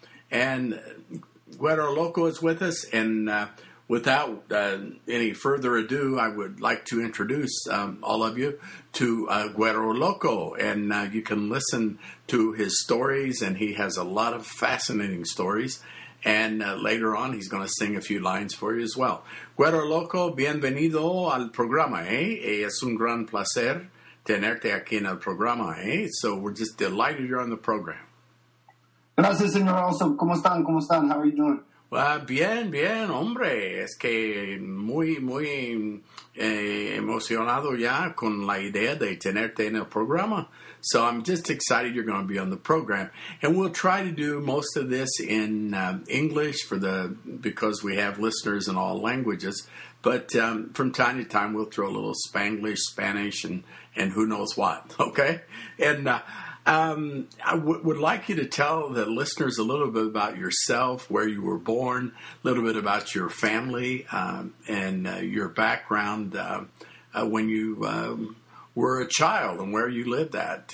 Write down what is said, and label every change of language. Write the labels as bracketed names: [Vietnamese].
[English] And Güero Loco is with us. And without any further ado, I would like to introduce all of you to Güero Loco. And you can listen to his stories, and he has a lot of fascinating stories. And later on, he's going to sing a few lines for you as well. [Spanish] Güero Loco, bienvenido al programa, eh? Es un gran placer tenerte aquí en el programa, eh? [English] So we're just delighted you're on the program. [Spanish] Gracias, señor. Also, ¿cómo están? ¿Cómo están? [English] How are you doing? [Spanish] Well, bien, bien, hombre. Es que muy, muy emocionado ya con la idea de tenerte en el programa. [English] So I'm just excited you're going to be on the program. And we'll try to do most of this in English because we have listeners in all languages. But from time to time, we'll throw a little Spanglish, Spanish, and who knows what, okay? And I would like you to tell the listeners a little bit about yourself, where you were born, a little bit about your family and your background when you were a child and where you lived at.